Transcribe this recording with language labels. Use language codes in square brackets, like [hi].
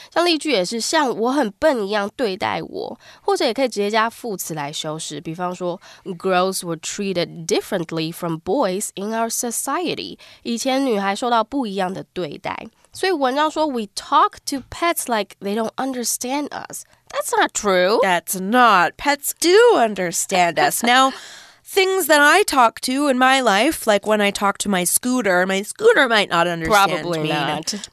[zh] 像例句也是像我很笨一样对待我，或者也可以直接加副词来修饰。比方说 [en] ，girls were treated differently from boys in our society。 [zh] 以前女孩受到不一样的对待。所以文章说 [en] ，we talk to pets like they don't understand us。 That's not true. That's not. Pets do understand us. Now, things that I talk to in my life, like when I talk to my scooter might not understand Probably me. Probably not.